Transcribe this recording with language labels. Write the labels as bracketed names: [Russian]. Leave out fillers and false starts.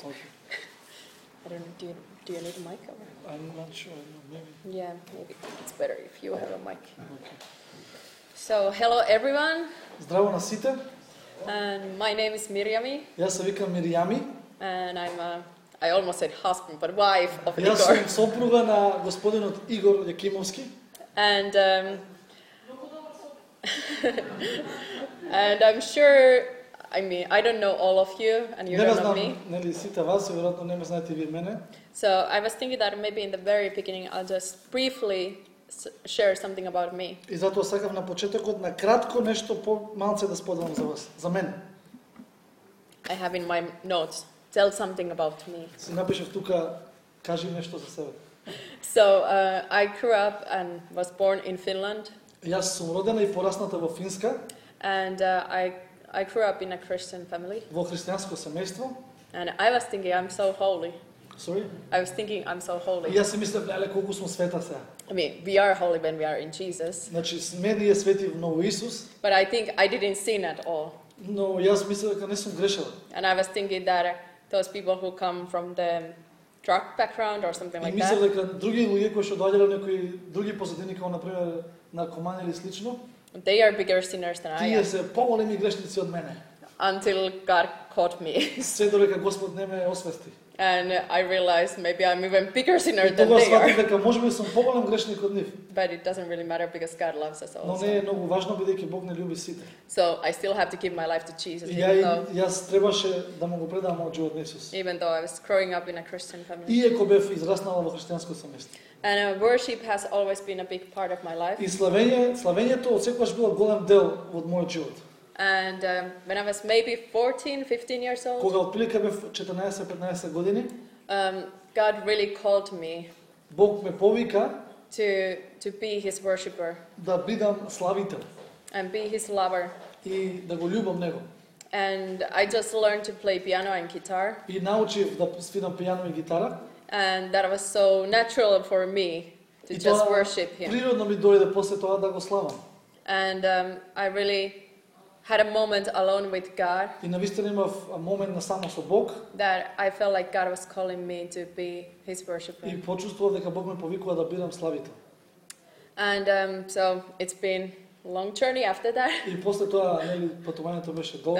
[English] Okay. I don't know, do you need a mic? Or? I'm not sure, maybe. Yeah, maybe it's better if you have a mic. Okay. So, hello everyone. [Macedonian] Здраво на сите. [English] And my name is Mirjami. [Macedonian] Јас се викам Мирјами. [English] And I almost said husband, but wife of Igor. [Macedonian] Јас сум сопруга на господинот Игор Јакимовски. [English] And and I'm sure, I mean, I don't know all of you, and you [Macedonian] не [English] don't [Macedonian] знам, [English] know me. [Macedonian] Нели сите вас, веројатно не ме знаете вие мене. [English] So I was thinking that maybe in the very beginning I'll just briefly share something about me. [Macedonian] И затоа сакав на почетокот на кратко нешто по малце да споделам за вас, за мене. [English] I have in my notes, tell something about me. [Macedonian] Си напишав тука, кажи нешто за себе. [English] So I grew up and was born in Finland. [Macedonian] Јас сум родена и порасната во Финска. [English] And I grew up in a Christian family. [Macedonian] Во христијанско семејство. [English] And I was thinking I'm so holy. Sorry? I was thinking I'm so holy. [Macedonian] Јас си мислев, леле, колку сум света сега. [English] I mean, we are holy when we are in Jesus. [Macedonian] Значи, сме ние свети во Исус. [English] But I think I didn't sin at all. [Macedonian] Но јас мислев дека не сум грешала. [English] And I was thinking that those people who come from the drug background or something like that. [Macedonian] Мислев дека други луѓе кои што доаѓале од некои други позадини, како на пример наркомани или слично. [English] They are bigger sinners than I am. [Macedonian] Тие се поголеми грешници од мене. [English] Until God caught me. [Macedonian] Се додека Господ не ме освести. [English] And I realized maybe I'm even bigger sinner than they are. [Macedonian] Дека можеби сум поголем грешник од нив. [English] But it doesn't really matter because God loves us also. [Macedonian] Но не е многу важно бидејќи Бог не люби сите. [English] So I still have to give my life to Jesus. [Macedonian] Јас требаше да му го предам од живот на Исус. [English] Even though I was growing up in a Christian family. [Macedonian] Иако бев израснала во христијанско семејство. [English] And worship has always been a big part of my life. [Macedonian] И славењето отсекогаш било голем дел од мојот живот. [English] And when I was maybe 14, 15 years old. [Macedonian] Кога отприлика бев 14-15 години. [English] God really called me. [Macedonian] Бог ме повика. [English] To be His worshipper. [Macedonian] Да бидам славител. [English] And be His lover. [Macedonian] И да го љубам него. [English] And I just learned to play piano and guitar. [Macedonian] И научив да свирам пијано и гитара. [English] And that was so natural for me to just worship Him. [Macedonian] Природно ми дојде после тоа да го славам. [English] And I really had a moment alone with God. [Macedonian] И навистина имав момент на само со Бог. [English] That I felt like God was calling me to be His worshipper. [Macedonian] И почувствував дека Бог ме повикува да бидам славител. [English] And so it's been a long journey after that. [Macedonian] И после тоа, нели, патувањето беше долго.